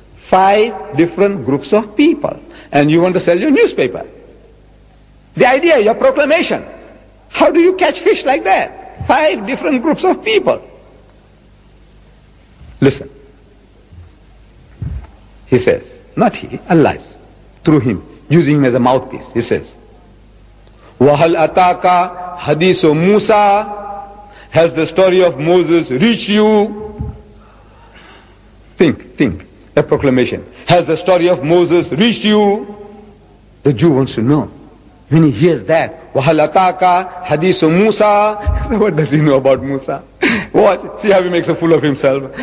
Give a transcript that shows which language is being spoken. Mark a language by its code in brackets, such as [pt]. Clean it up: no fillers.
[en] Five different groups of people. And you want to sell your newspaper. The idea, your proclamation. How do you catch fish like that? Five different groups of people. Listen. He says, not he, Allah, through him, using him as a mouthpiece. He says, [ar] وَهَلْ أَتَاكَ حَدِيثُ مُوسَىٰ. [en] Has the story of Moses reached you? Think. A proclamation. Has the story of Moses reached you? The Jew wants to know. When he hears that, [ar] وَهَلْ أَتَاكَ حَدِيثُ مُوسَىٰ. [en] What does he know about Musa? Watch. See how he makes a fool of himself.